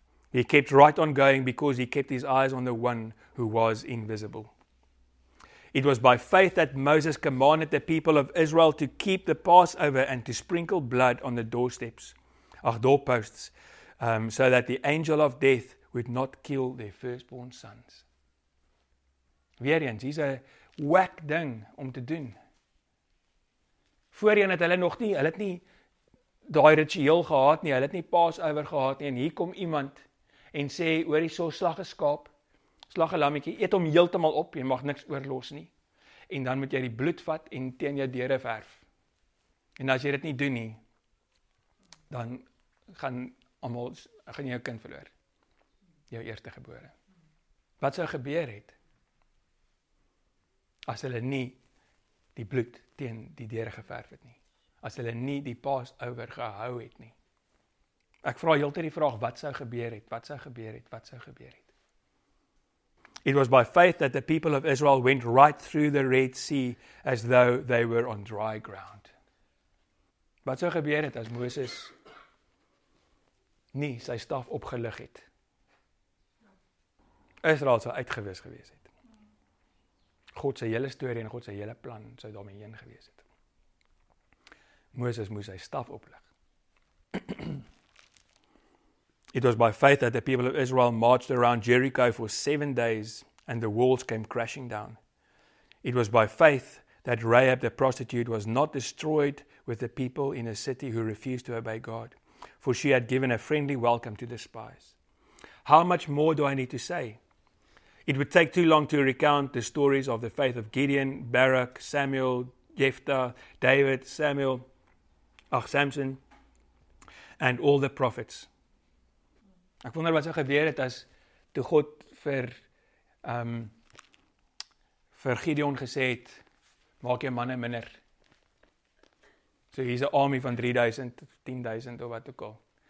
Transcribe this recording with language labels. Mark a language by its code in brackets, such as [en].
[en] He kept right on going because he kept his eyes on the one who was invisible. It was by faith that Moses commanded the people of Israel to keep the Passover and to sprinkle blood on the doorposts, so that the angel of death would not kill their firstborn sons. [af] Weer eens, hier is 'n wack ding om te doen. Voorheen het hulle het nie daai ritueel gehad nie, hulle het nie Passover gehad nie, en hier kom iemand en sê, hoor hier, slag 'n skaap, slag 'n lammetjie, eet hom heeltemal op, jy mag niks oorlos nie, en dan moet jy die bloed vat en teen jou deure verf. En as jy dit nie doen nie, dan gaan jy jou kind verloor. Jou eerste gebore. Wat sou gebeur het as hulle nie die bloed teen die deure geverf het nie? As hulle nie die Passover gehou het nie? Ek vra heeltyd die vraag, wat sou gebeur het? Wat sou gebeur het? Wat sou gebeur het? [en] It was by faith that the people of Israel went right through the Red Sea as though they were on dry ground. [af] Wat sou gebeur het as Moses nie sy staf opgelig het? Israel sou uitgewis gewees het. God se hele storie en God se hele plan sou daarmee heen gewees het. Moses moes sy staf oplig. [en] It was by faith that the people of Israel marched around Jericho for 7 days and the walls came crashing down. It was by faith that Rahab the prostitute was not destroyed with the people in a city who refused to obey God, for she had given a friendly welcome to the spies. How much more do I need to say? It would take too long to recount the stories of the faith of Gideon, Barak, Samuel, Jephthah, David, Samson, and all the prophets. [af] Ek wonder wat sou gebeur het as toe God vir Gideon gesê het, maak jy manne minder. So hier is 'n army van 3000, 10000 of wat ook al.